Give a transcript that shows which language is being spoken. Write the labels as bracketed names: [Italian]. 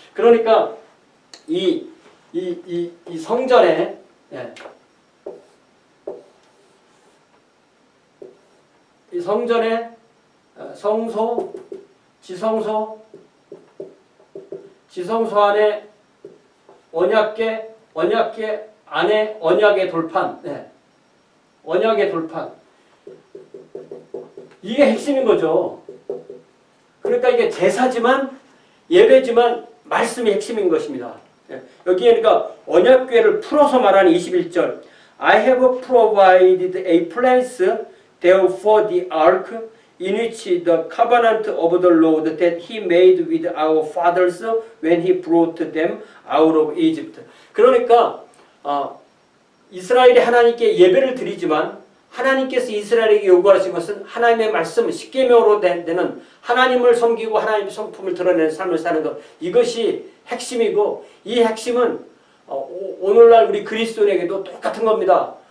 [Korean] 그러니까 이 성전에 이 성전에 성소, 지성소, 지성소 안에 언약궤, 언약궤 안에 언약의 돌판, 네. 언약의 돌판. 이게 핵심인 거죠. 그러니까 이게 제사지만 예배지만 말씀이 핵심인 것입니다. 여기에 그러니까 언약궤를 풀어서 말하는 21절. [English] I have provided a place there for the ark in which the covenant of the Lord that he made with our fathers when he brought them out of Egypt. [Korean] 그러니까 이스라엘이 하나님께 예배를 드리지만 하나님께서 이스라엘에게 요구하신 것은 하나님의 말씀, 십계명으로 되는 하나님을 섬기고 하나님의 성품을 드러내는 삶을 사는 것. 이것이 핵심이고 이 핵심은 오늘날 우리 그리스도인에게도 똑같은 겁니다.